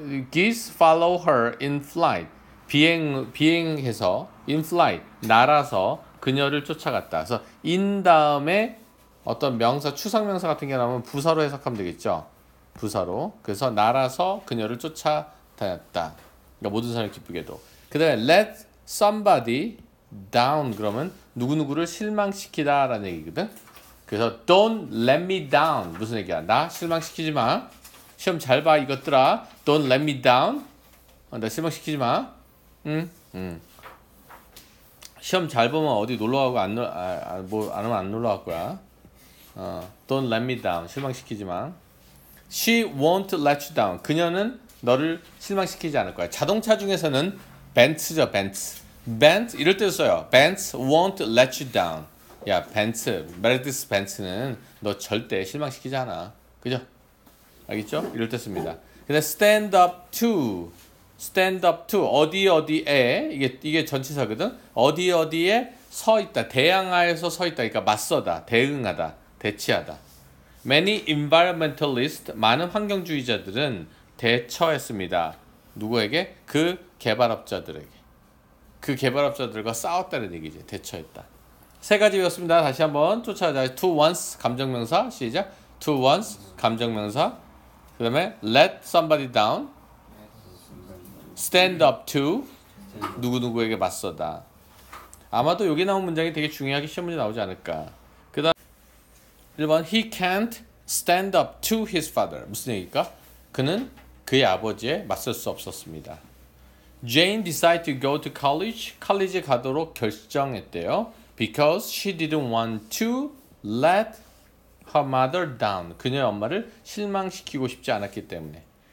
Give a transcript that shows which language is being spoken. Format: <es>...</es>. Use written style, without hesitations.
<en>Geese follow her in flight.</en> <ko>비행해서</ko> <en>in flight.</en> <ko>날아서 그녀를 쫓아갔다. 그래서 in 다음에 어떤 명사, 추상명사 같은 게 나오면 부사로 해석하면 되겠죠. 부사로. 그래서 날아서 그녀를 쫓아다녔다. 그러니까 모든 사람이 기쁘게도. 그 다음에</ko> <en>let somebody down.</en> <ko>그러면 누구누구를 실망시키다 라는 얘기거든. 그래서</ko> <en>don't let me down.</en> <ko>무슨 얘기야? 나 실망시키지 마. 시험 잘 봐 이것들아.</ko> <en>Don't let me down.</en> <ko>나 실망시키지 마. 시험 잘 보면 어디 놀러가고 안 놀러 갈 거야.</ko> <en>Don't let me down.</en> <ko>실망시키지 마.</ko> <en>She won't let you down.</en> <ko>그녀는 너를 실망시키지 않을 거야. 자동차 중에서는 벤츠죠. 벤츠. 벤츠 이럴 때 써요.</ko> <en>Benz won't let you down.</en> <ko>야 벤츠. 메르디스 벤츠는 너 절대 실망시키지 않아. 그죠? 알겠죠? 이럴 때 씁니다. 근데</ko> <en>stand up to. Stand up to.</en> <ko>어디 어디에. 이게 전치사거든. 어디 어디에 서 있다. 대항하에서 서 있다. 그러니까 맞서다. 대응하다. 대치하다.</ko> <en>Many environmentalists,</en> <ko>많은 환경주의자들은 대처했습니다. 누구에게? 그 개발업자들에게. 그 개발업자들과 싸웠다는 얘기지. 대처했다. 세 가지 외웠습니다. 다시 한번 쫓아가자.</ko> <en>To once, 감정명사.</en> <ko>시작.</ko> <en>To once, 감정명사.</en> <ko>그 다음에</ko> <en>let somebody down. Stand up to.</en> <ko>누구누구에게 맞서다. 아마도 여기 나온 문장이 되게 중요하게 시험 문제 나오지 않을까. 그 다음 1번</ko> <en>He can't stand up to his father.</en> <ko>무슨 얘기일까? 그는 그의 아버지에 맞설 수 없었습니다.</ko> <en>Jane decided to go to college.</en> <ko>칼리지에 가도록 결정했대요.</ko> <en>Because she didn't want to let her mother down.</en> <ko>그녀의 엄마를 실망시키고 싶지 않았기 때문에.</ko>